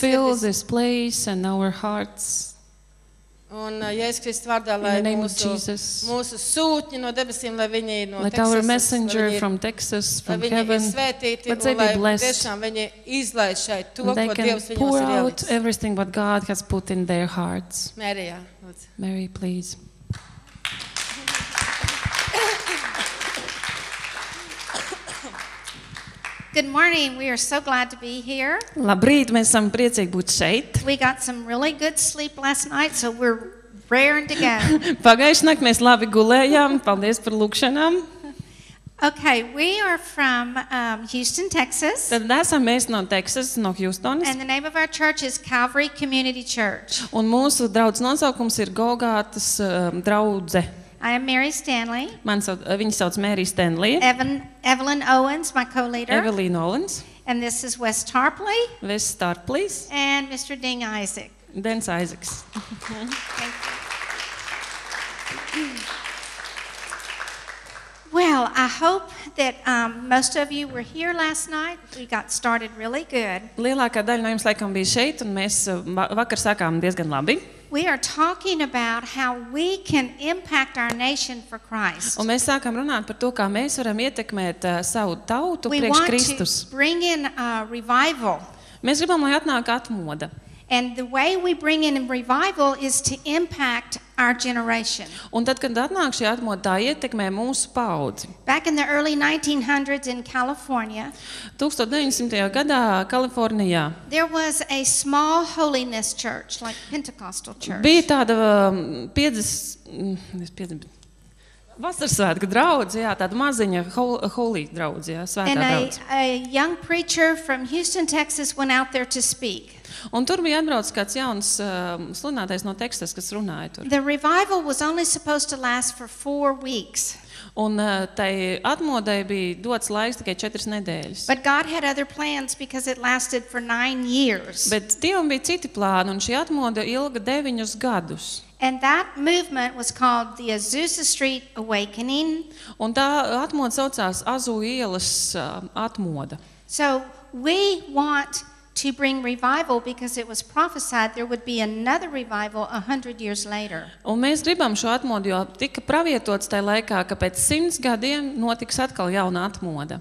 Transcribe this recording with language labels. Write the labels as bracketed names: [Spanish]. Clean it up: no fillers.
[English] Fill this place and our hearts. [Latvian] Un Jēzus Kristu vārdā, lai [English] in the name of Jesus. [Latvian] Mūsu sūtņi no debesīm, lai viņi ir no [English] Texas. Like our messenger from Texas, from heaven. Let they be blessed. [Latvian] Tiešām viņi izlaiž šai to, ko Dievs viņos ir [English] pour out everything what God has put in their hearts. [Latvian] Marija, lūdzu. [English] Mary, please. Good morning. We are so glad to be here. [Latvian] Labrīt, mēs esam priecīgi būt šeit. [English] We got some really good sleep last night, so we're raring to go. [Latvian] Pagājušā nakt mēs labi gulējām. Paldies par lūkšanām. [English] Okay, we are from Houston, Texas. [Latvian] Tad esam mēs no Texas, no Houstonas. [English] And the name of our church is Calvary Community Church. [Latvian] Un mūsu draudzes nosaukums ir Golgātas draudze. [English] I am Mary Stanley. [Latvian] Viņa sauc Mary Stanley. [English] Evelyn Owens, my co-leader. [Latvian] Evelyn Owens. [English] And this is Wes Tarpley. [Latvian] Wes Tarpley. [English] And Mr. Ding Isaac. [Latvian] Dens Isaacs. [English] Well, I hope that most of you were here last night. We got started really good. [Latvian] Lielākā daļa no jums laikam bija šeit, un mēs vakar sākām diezgan labi. [English] We are talking about how we can impact our nation for Christ. [Latvian] Un mēs sākam runāt par to, kā mēs varam ietekmēt savu tautu priekš Kristus. [English] We want to bring in a revival. [Latvian] Mēs gribam, lai atnāk atmoda. [English] And the way we bring in a revival is to impact our generation. [Latvian] Un tad, kad atnāk šī atmoda, tā ietekmē mūsu paudzi. [English] Back in the early 1900s in California. [Latvian] 1900. Gadā Kalifornijā. [English] There was a small holiness church, like Pentecostal church. [Latvian] Bija tāda 50 Vasarsvētku draudze, jā, tāda maziņa holy draudze, jā, svētā draudze. [English] And a young preacher from Houston, Texas went out there to speak. [Latvian] Un tur bija atbraucis kāds jauns slunātais no Teksas, kas runāja tur. [English] The revival was only supposed to last for 4 weeks. [Latvian] Un tai atmodai bija dots laiks tikai 4 nedēļas. [English] But God had other plans because it lasted for 9 years. [Latvian] Bet Dievam bija citi plāni, un šī atmoda ilga 9 gadus. [English] And that movement was called the Azusa Street Awakening. [Latvian] Un tā atmoda saucās Azu ielas atmoda. [English] So we want to bring revival because it was prophesied there would be another revival 100 years later. [Latvian] Un mēs gribam šo atmodu, jo tika pravietots tai laikā, ka pēc 100 gadiem notiks atkal jauna atmoda.